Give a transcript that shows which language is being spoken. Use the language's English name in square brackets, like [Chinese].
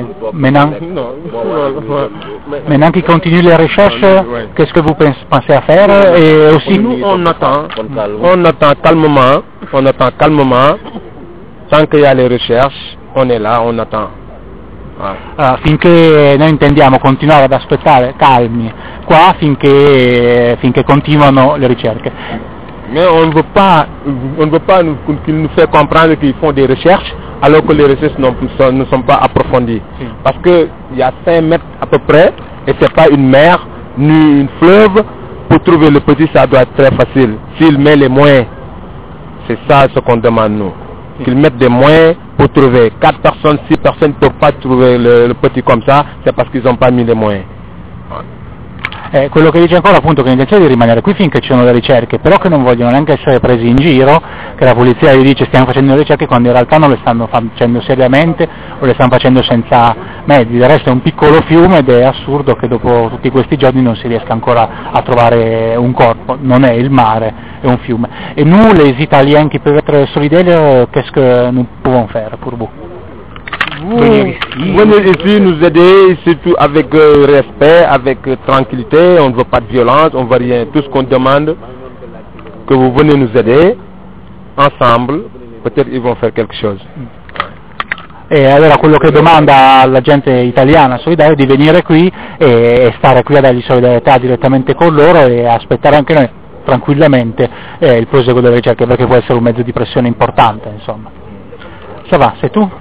[French] Maintenant qu'ils continuent les recherches, qu'est-ce que vous pensez à faire? Et aussi, on attend calmement, tant qu'il y a les recherches, on est là, on attend. [Italian] Finché noi intendiamo continuare ad aspettare, calmi, qua finché continuano le ricerche. [French] Mais on ne veut pas qu'ils nous fassent comprendre qu'ils font des recherches, alors que les recherches ne sont pas approfondies. Oui. Parce qu'il y a 5 mètres à peu près, et ce n'est pas une mer, ni une fleuve, pour trouver le petit, ça doit être très facile. S'il met les moyens, c'est ça ce qu'on demande nous. Oui. Qu'il mette des moyens pour trouver. 4 personnes, 6 personnes ne peuvent pas trouver le petit comme ça, c'est parce qu'ils n'ont pas mis les moyens. [Italian] Quello che dice ancora appunto che l'intenzione è di rimanere qui finché ci sono le ricerche, però che non vogliono neanche essere presi in giro, che la polizia gli dice stiamo facendo le ricerche quando in realtà non le stanno facendo seriamente o le stanno facendo senza mezzi. Del resto è un piccolo fiume ed è assurdo che dopo tutti questi giorni non si riesca ancora a trovare un corpo, non è il mare, è un fiume. [French] E nous les Italiens qui peuvent être solidaires, qu'est-ce que nous pouvons faire pour vous? Venez ici nous aider, surtout avec respect, avec tranquillité, on ne veut pas de violence, on ne veut rien. Tout ce qu'on demande, que vous venez nous aider, ensemble, peut-être ils vont faire quelque chose. [Italian] E allora quello che domanda alla gente italiana solidale è di venire qui e stare qui a dargli solidarietà direttamente con loro e aspettare anche noi tranquillamente il proseguo delle ricerche, perché può essere un mezzo di pressione importante, insomma. [French] Ça va, c'est tout?